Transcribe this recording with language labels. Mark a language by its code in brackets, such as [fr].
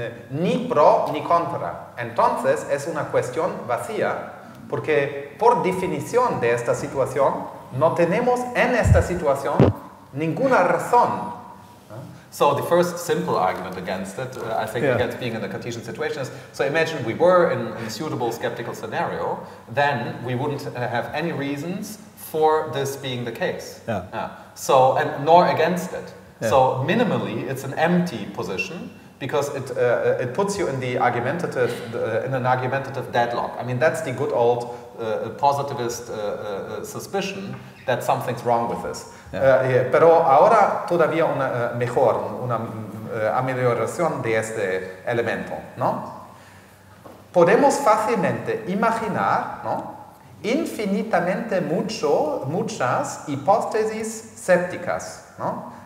[es] Ni pro ni contra. Entonces es una cuestión vacía, porque por definición de esta situación no tenemos en esta situación ninguna razón. [en] So the first simple argument against it, I think, against being in the Cartesian situation is, so imagine we were in a suitable skeptical scenario, then we wouldn't have any reasons for this being the case. So, and nor against it. So minimally it's an empty position, because it it puts you in the argumentative in an argumentative deadlock. I mean, that's the good old positivist suspicion that something's wrong with this. [es] Pero ahora todavía una mejor una amelioración de este elemento, ¿no? Podemos fácilmente imaginar, ¿no? Infinitamente muchas hipótesis escépticas, ¿no?